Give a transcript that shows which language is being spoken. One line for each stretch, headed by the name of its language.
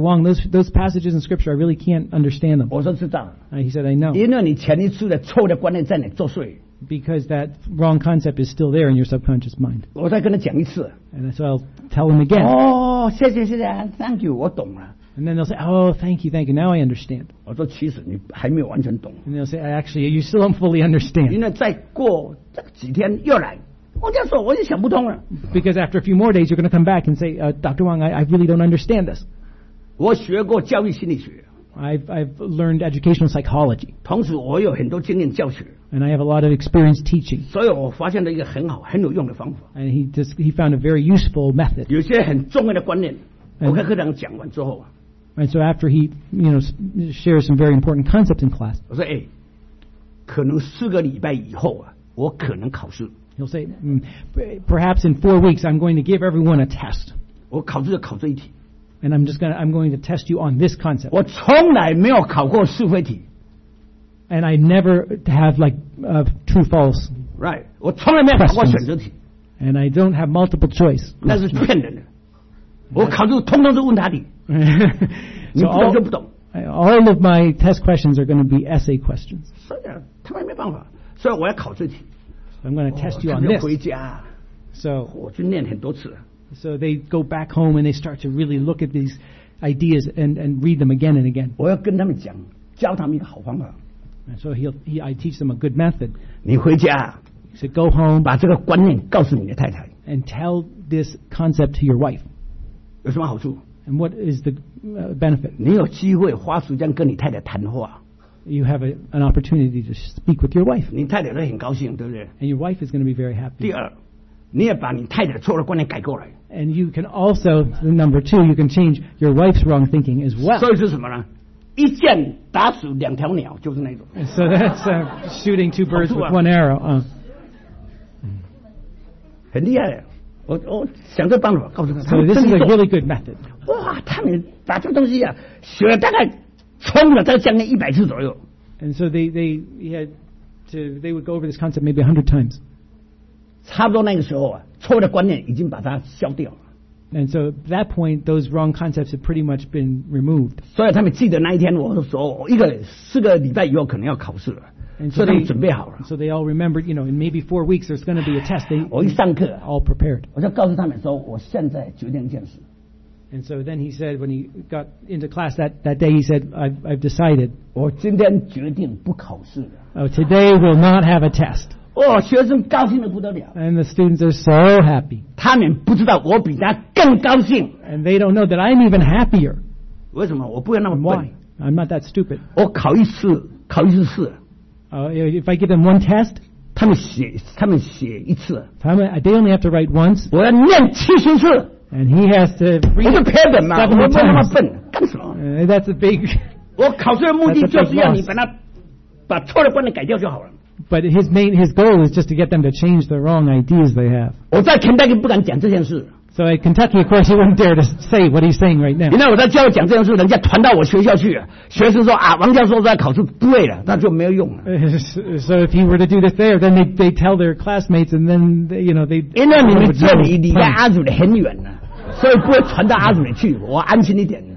English: Wong, those passages in scripture, I really can't understand them.
Chinese: 我说知道。
English: And he said, I know.
Chinese: 因为你前一次的错的观念在你作祟。
English: Because that wrong concept is still there in your subconscious mind.
Chinese: 我再跟他讲一次。
English: And so I'll tell him again.
Chinese: 哦，谢谢谢谢 ，
English: Thank you，
Chinese: 我懂了。
English: And then they'll say, oh, thank you, now I understand.
Chinese: 我说其实你还没有完全懂。
English: And they'll say, actually, you still don't fully understand.
Chinese: 因为再过这几天又来，我这样说我就想不通了。
English: Because after a few more days, you're going to come back and say, Dr. Wong, I really don't understand this.
Chinese: 我学过教育心理学。
English: I've learned educational psychology.
Chinese: 同时我有很多经验教学。
English: And I have a lot of experience teaching.
Chinese: 所以我发现了一个很好，很有用的方法。
English: And he found a very useful method.
Chinese: 有些很重要的观念，我跟课堂讲完之后啊。
English: And so after he, you know, shares some very important concepts in class,
Chinese: 我说哎，可能四个礼拜以后啊，我可能考试。
English: He'll say, perhaps in 4 weeks, I'm going to give everyone a test.
Chinese: 我考试就考这一题。
English: And I'm going to test you on this concept.
Chinese: 我从来没有考过是非题。
English: And I never have like true false. Right.
Chinese: 我从来没有考过选择题。
English: And I don't have multiple choice.
Chinese: 那是骗人的。我考试通通都问他的。
English: So all of my test questions are going to be essay questions. So yeah,
Chinese: 他们没办法，所以我要考这题。
English: I'm going to test you on this.
Chinese: 回家。
English: So
Chinese: 我去念很多次。
English: So they go back home and they start to really look at these ideas and read them again and again.
Chinese: 我要跟他们讲，教他们一个好方法。
English: And so I teach them a good method.
Chinese: 你回家。
English: He said, go home.
Chinese: 把这个观念告诉你的太太。
English: And tell this concept to your wife.
Chinese: 有什么好处？
English: And what is the benefit?
Chinese: 你有机会花时间跟你太太谈话。
English: You have an opportunity to speak with your wife.
Chinese: 你太太都很高兴，对不对？
English: And your wife is going to be very happy.
Chinese: 第二，你也把你太太错的观念改过来。
English: And you can also, number two, you can change your wife's wrong thinking as well.
Chinese: 所以是什么呢？一箭打死两条鸟，就是那种。
English: So that's shooting two birds with one arrow.
Chinese: 很厉害。我想这办法告诉他们。
English: So this is a really good method.
Chinese: 哇，他们把这个东西啊学了大概冲了大概将近100次左右。
English: And so they would go over this concept maybe 100 times.
Chinese: 差不多那个时候啊，错的观念已经把它消掉了。
English: And so at that point, those wrong concepts have pretty much been removed.
Chinese: 所以他们记得那一天我说四个礼拜以后可能要考试了。
English: And so they
Chinese: 准备好了。
English: So they all remembered, you know, in maybe 4 weeks there's going to be a test. They
Chinese: 我一上课
English: all prepared.
Chinese: 我就告诉他们说，我现在决定一件事。
English: And so then he said, when he got into class that day, he said, I've decided.
Chinese: 我今天决定不考试了。
English: Oh, today will not have a test.
Chinese: 哦，学生高兴得不得了。
English: And the students are so happy.
Chinese: 他们不知道我比他更高兴。
English: And they don't know that I'm even happier.
Chinese: 为什么？我不要那么笨。
English: Why? I'm not that stupid.
Chinese: 我考一次试。
English: If I give them one test,
Chinese: 他们写一次。
English: They only have to write once.
Chinese: 我要念70次。
English: And he has to read 70 times.
Chinese: 我就骗他嘛，我那么笨，干什么？
English: That's a big.
Chinese: 我考试的目的就是要你把错的观念改掉就好了。
English: But his goal is just to get them to change the wrong ideas they have.
Chinese: 我在Kentucky不敢讲这件事。
English: So at Kentucky, of course, he wouldn't dare to say what he's saying right now.
Chinese: 你看我在教会讲这件事，人家传到我学校去，学生说啊，王教授在考试，对了，那就没有用了。
English: So if he were to do this there, then they tell their classmates, and then you know they.
Chinese: 因为你们这里离在阿祖里很远呢，所以不会传到阿祖里去，我安心一点。